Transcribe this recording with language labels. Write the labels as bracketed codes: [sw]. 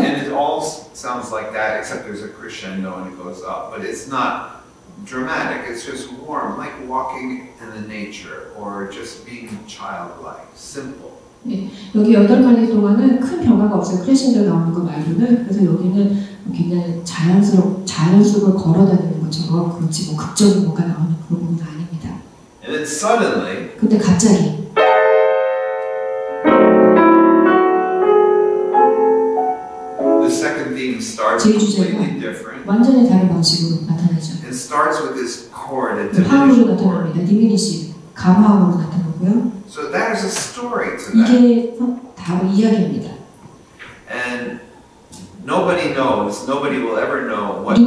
[en] And it all sounds like that, except there's a crescendo and it goes up. But it's not dramatic. It's just warm, like walking in the nature or just being childlike, simple. [ko] 네, 여기 여덟 마디 동안은 큰 변화가 없어요. 크레신도 나오는 거 말고는. 그래서 여기는 굉장히 자연스럽게 걸어다니는 것처럼 그렇지 뭐 극적인 뭐가 나오는 그런 부분은 아닙니다. [en] And then suddenly, [ko] 근데 갑자기 [en] the second theme starts [ko] 제 주제가 완전히 다른 방식으로 나타나죠. [en] It starts with this chord, a [ko] 화음으로 나타납니다. 디미니시 감화음으로 나타나고요. [en] So that is a story to that. [ko] 이게 다음 이야기입니다. [en] And nobody knows, nobody will ever know what